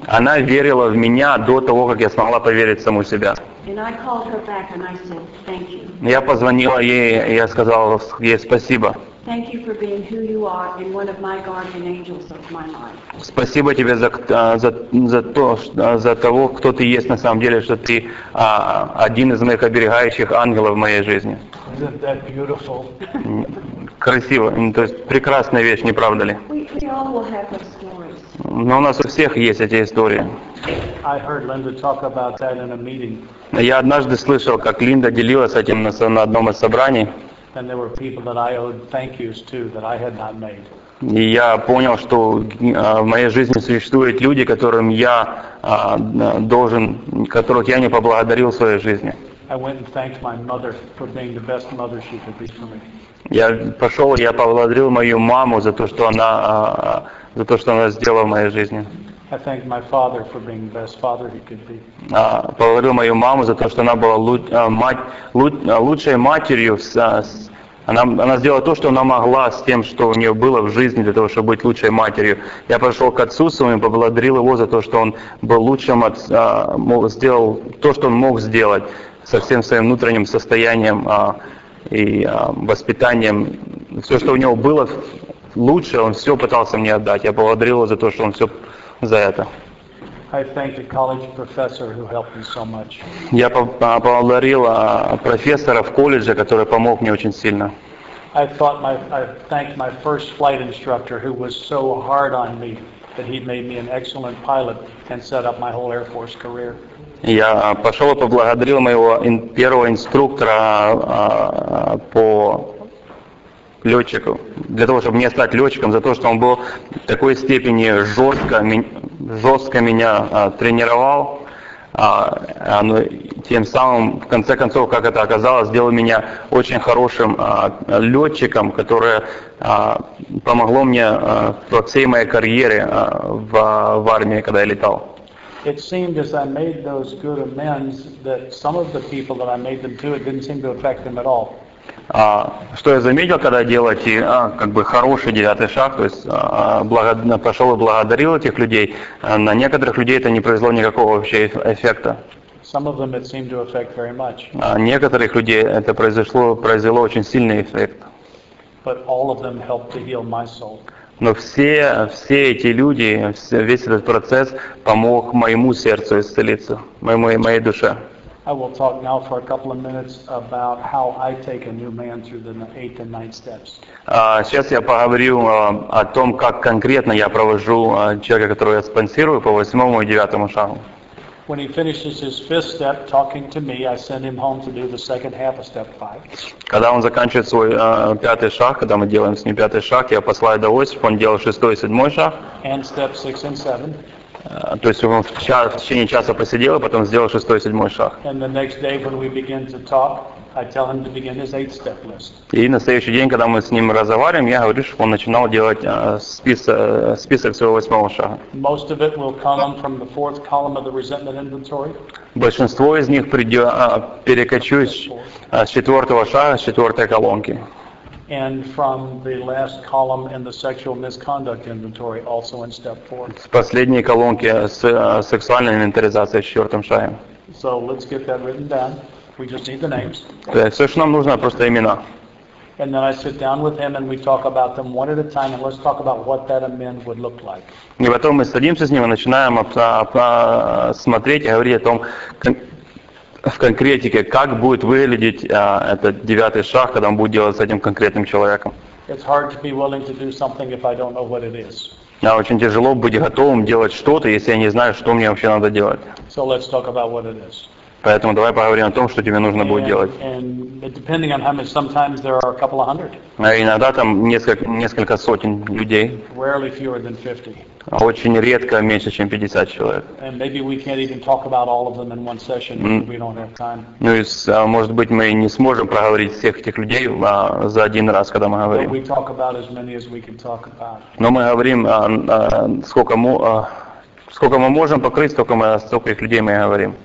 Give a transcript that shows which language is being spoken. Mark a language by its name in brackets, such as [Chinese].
[Russian] Она верила в меня до того, как я смогла поверить в саму себя. [English] And I called her back and I said, thank you. [Russian] Я позвонила ей, я сказала ей спасибо. [English] Thank you for being who you are and one of my guardian angels of my life. [Russian] Спасибо тебе за того, кто ты есть на самом деле, что ты один из моих оберегающих ангелов в моей жизни. [English] Isn't that beautiful? [Russian] Красиво, то есть прекрасная вещь, не правда ли? [English] We all will have those stories. [Russian] Но у нас у всех есть эти истории. [English] I heard Linda talk about that in a meeting. [Russian] Я однажды слышал, как Линда делилась этим на одном из собраний. [English] And there were people that I owed thank yous to that I had not made. [Russian] И я понял, что в моей жизни существуют люди, которым я должен, которых я не поблагодарил в своей жизни. [English] I went and thanked my mother for being the best mother she could be for me. [Russian] Я пошел, я поблагодарил мою маму за то, что она сделала в моей жизни. [English] I thanked my father for being the best father he could be. [Russian] Поблагодарил мою маму за то, что она была лучшей матерью. Она сделала то, что она могла с тем, что у нее было в жизни, для того, чтобы быть лучшей матерью. Я пошел к отцу своему и поблагодарил его за то, что он был лучшим отцом, сделал то, что он мог сделать со всем своим внутренним состоянием и воспитанием. Все, что у него было лучше, он все пытался мне отдать. Я поблагодарил его за то, что он все за это. [English] I thank the college professor who helped me so much. [Russian] Я поблагодарил профессора в колледже, который помог мне очень сильно. [English] I thanked my first flight instructor who was so hard on me that he made me an excellent pilot and set up my whole Air Force career. [Russian] Я пошел и поблагодарил моего первого инструктора по летчику, для того, чтобы мне стать летчиком, за то, что он был в такой степени жестко меня тренировал, но тем самым, в конце концов, как это оказалось, сделал меня очень хорошим летчиком, которое помогло мне во всей моей карьере в армии, когда я летал. [English] It seemed as I made those good amends that some of the people that I made them to, it didn't seem to affect them at all. [Russian] Что я заметил, когда делал эти хороший девятый шаг, то есть пошел и благодарил этих людей, на некоторых людей это не произвело никакого вообще эффекта. [English] Some of them it seemed to affect very much. [Russian] Некоторых людей это произвело очень сильный эффект. [English] But all of them helped to heal my soul. [Russian] Но все эти люди, весь этот процесс помог моему сердцу исцелиться, моей душе. [English] I will talk now for a couple of minutes about how I take a new man through the 8th and 9th steps. [Russian] Сейчас я поговорю о том, как конкретно я провожу человека, которого я спонсирую по 8-му и 9-му шагу. [English] When he finishes his 5th step talking to me, I send him home to do the second half of step 5. [Russian] Когда он заканчивает свой 5-й шаг, когда мы делаем с ним 5-й шаг, я посылаю до Осипа, он делал 6-й и 7-й шаг. [English] And step 6 and 7. [Russian] То есть он в течение часа посидел, а потом сделал 6-й и 7-й шаг. [English] And the next day, when we begin to talk, I tell him to begin his 8th step list. [Russian] И на следующий день, когда мы с ним разговариваем, я говорю, что он начинал делать список своего 8-го шага. [English] Most of it will come from the 4th column of the resentment inventory. [Russian] Большинство из них перекочует с 4-го шага, с 4-й колонки. [English] And from the last column in the sexual misconduct inventory, also in step 4. [Russian] С последней колонки сексуальной инвентаризации в 4-м шаге. [English] So let's get that written down. We just need the names. [Russian] Все, что нам нужно, просто имена. [English] And then I sit down with him and we talk about them one at a time and let's talk about what that amend would look like. [Russian] И потом мы садимся с ним и начинаем смотреть и говорить о том, в конкретике, как будет выглядеть этот 9-й шаг, когда он будет делать с этим конкретным человеком. Очень тяжело быть готовым делать что-то, если я не знаю, что мне вообще надо делать. [English] So let's talk about what it is. [Russian] Поэтому давай поговорим о том, что тебе нужно будет делать. [English] And depending on how many, sometimes there are a couple of hundred. [Russian] Иногда там несколько сотен людей. [English] Rarely fewer than 50. [Russian] Очень редко меньше, чем 50 человек. [English] And maybe we can't even talk about all of them in one session, we don't have time. [Russian] Может быть, мы не сможем проговорить всех этих людей за один раз, когда мы говорим. [English] But we talk about as many as we can talk about. [Russian] Но мы говорим, сколько мы можем покрыть, столько их людей мы и говорим.